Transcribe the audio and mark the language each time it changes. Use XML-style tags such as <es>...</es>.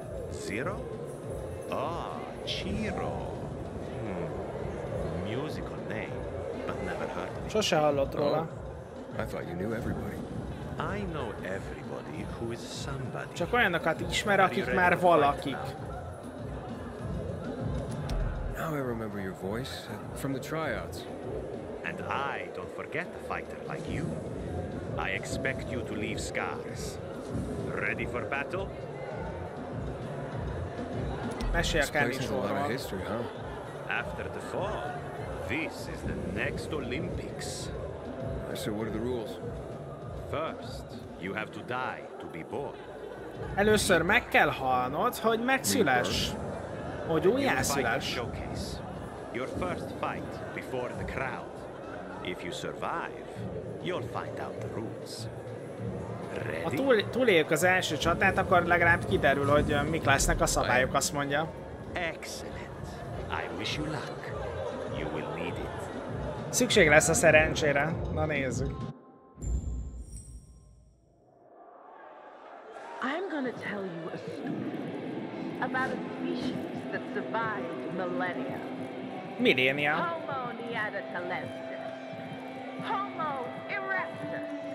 <en>Zero? Ah, Chiro. Musical name, but never heard of</en> <hu>it. Sose hallott róla.</hu> <en>I thought you knew everybody. I know everybody who is somebody.</en> <hu>Csak olyanokat ismer, akik már valakik.</hu> <en>Now I remember your voice from the tryouts. And I don't forget a fighter like you. I expect you to leave scars. Ready for battle?</en> <hu>Mesélj a kármisóról.</hu> <en>After the fall, this is the next Olympics. So what are the rules? First, you have to die to be born.</en> <hu>Először meg kell halnod, hogy megszüles, hogy újjászüles.</hu> <en>Your first fight before the crowd. If you survive, you'll find out the rules.</en> <hu>Ha túléljük az első csatát, akkor legalább kiderül, hogy mik lesznek a szabályok, azt mondja.</hu> <en>Excellent. I wish you luck. You will need it.</en> <hu>Szükség lesz a szerencsére. Na nézzük.</hu> <en>I'm gonna tell you a story about a species that survived millennia. Millennia. Homo neanderthalensis. Homo erectus.</en>